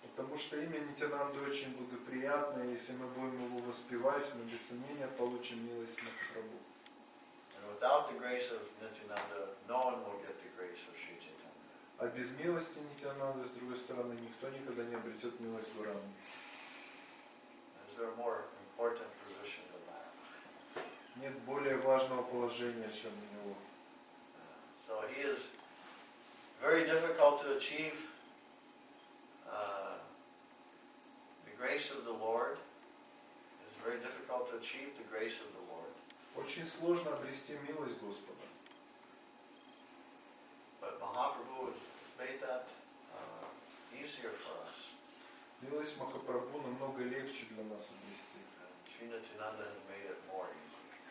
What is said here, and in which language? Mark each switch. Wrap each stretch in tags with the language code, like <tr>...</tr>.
<ru>Потому что имя Нитянанды очень благоприятно, если мы будем его воспевать, мы без сомнения получим милость Махапрабху.</ru> <en>And without the grace of Nityananda, no one will get the grace of Sri Chaitanya.</en> <ru>А без милости Нитянанды, с другой стороны, никто никогда не обретет милость Гуранги.</ru> <en>Is there a more important position than that?</en> <ru>Нет более важного положения, чем у него.</ru> <en>So he is very difficult to achieve the grace of the Lord. It is very difficult to achieve the grace of the Lord.</en> <ru>Очень сложно обрести милость Господа.</ru> <en>But Mahaprabhu made that easier for us.</en> <ru>Милость Махапрабху намного легче для нас обрести.</ru> <en>Sri Nityananda made it more easy.</en>